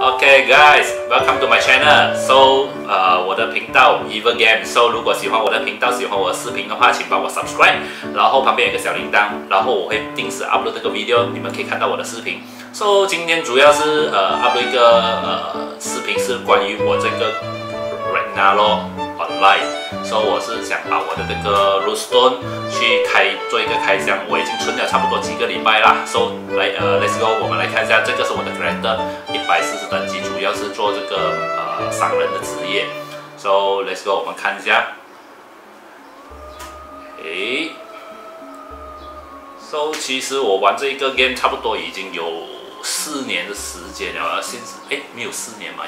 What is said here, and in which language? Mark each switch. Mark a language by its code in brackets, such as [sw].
[en] Okay, guys, welcome to my channel. So, [zh] 我的频道 [en] Evil Game. [zh] So, 如果喜欢我的频道, 喜欢我的视频的话, 请帮我 subscribe. 然后旁边有个小铃铛, 然后我会定时 upload 这个 video, 你们可以看到我的视频. So, 今天主要是, upload 一个, 视频是关于我这个 Ragnarok Online. So, 我是想把我的这个 Runestone 去做一个开箱, 我已经存了差不多几个礼拜啦. [en] So, let's go, [zh] 我们来看一下, 这个是我的 character, 140等级, 主要是做这个, 商人的职业. [en] So, let's go, [zh] 我们看一下. Okay. So, 其实我玩这个 game 差不多已经有4年的时间了, 甚至, 诶, 没有4年吗?